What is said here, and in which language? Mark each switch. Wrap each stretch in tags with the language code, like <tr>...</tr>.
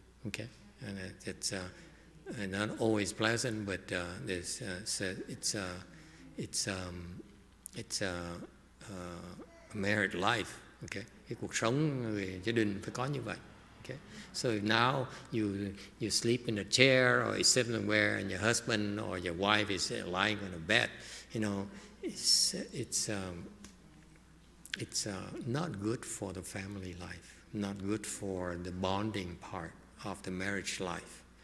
<en>Okay, and it's not always pleasant, but it's a married life.</en> <vi>Okay, cái cuộc sống người gia đình phải có như vậy.</vi> <en>Okay. So now you sleep in a chair or somewhere, and your husband or your wife is lying on a bed. You know, it's not good for the family life, not good for the bonding part of the marriage life.</en>